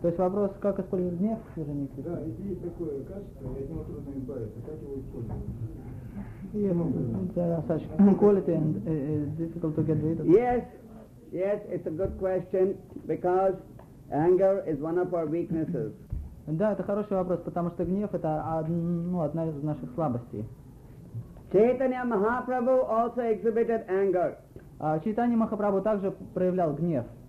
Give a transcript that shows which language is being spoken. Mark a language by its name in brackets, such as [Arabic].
[Russian] То есть вопрос, как использовать гнев в служении Кришне? Да, если есть такое качество, я от него трудно избавиться, как его использовать? [English] Yeah, such quality and difficult to get rid of. Yes. Yes, it's a good question because anger is one of our weaknesses. [Russian] Да, это хороший вопрос, потому что гнев это одна из наших слабостей. [English] Chaitanya Mahaprabhu also exhibited anger. [Russian] Чайтанья Махапрабху также проявлял гнев.